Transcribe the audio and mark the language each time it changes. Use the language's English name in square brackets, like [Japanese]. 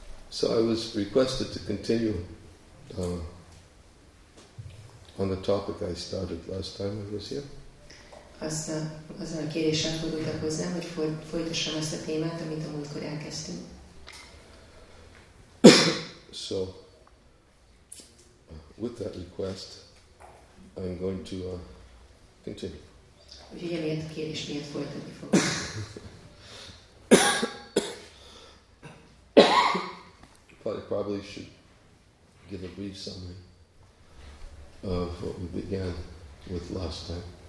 [English] So I was requested to continue on the topic I started last time I was here. [Hungarian] Azzal a kérésen fordultak hozzám, hogy folytassam ezt a témát, amit a múltkor elkezdtünk. [English] So, with that request, I'm going to continue. [Hungarian] Úgyhogy emiatt a kérés miatt folytatni fogok. [English] But I probably should give a brief summary of what we began with last time.